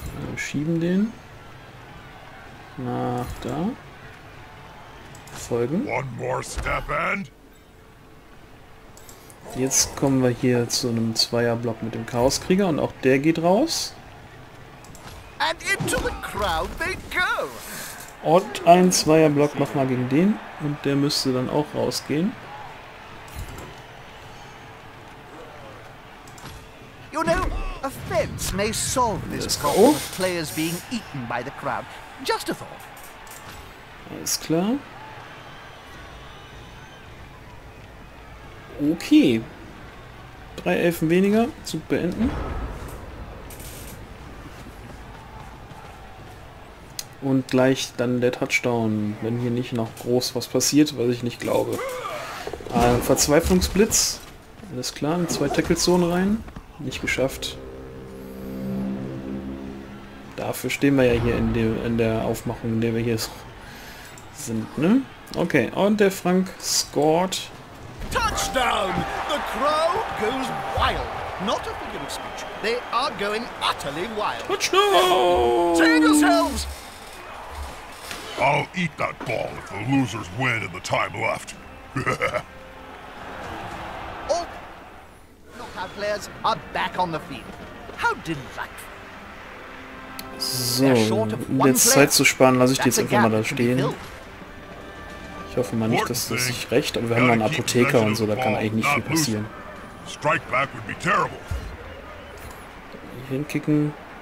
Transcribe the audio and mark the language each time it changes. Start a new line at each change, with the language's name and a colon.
German: Wir schieben den. Nach da. Folgen.
English: One more step and...
German: Jetzt kommen wir hier zu einem Zweierblock mit dem Chaoskrieger und auch der geht raus.
English: And into the crowd they go.
German: Und ein Zweierblock nochmal gegen den und der müsste dann auch rausgehen.
English: You know, a fence may solve this problem of players being eaten by the crowd. Just a thought.
German: Alles klar. Okay. Drei Elfen weniger. Zug beenden. Und gleich dann der Touchdown, wenn hier nicht noch groß was passiert, was ich nicht glaube. Verzweiflungsblitz. Alles klar, in zwei Tackle-Zonen rein. Nicht geschafft. Dafür stehen wir ja hier in der Aufmachung, in der wir hier sind, ne? Okay, und der Frank scored.
English: Touchdown! The crowd goes wild. Not a figure of speech. They are going utterly wild. Touchdown! Save yourselves! I'll eat that ball if the losers win in the time left. All knockout players are back on the field. How delightful.
German: So, jetzt Zeit zu sparen, lasse ich die jetzt einfach mal da stehen. Ich hoffe mal nicht, dass das sich rächt, aber wir haben einen Apotheker und so, da kann eigentlich nicht viel passieren. Hier hinkicken.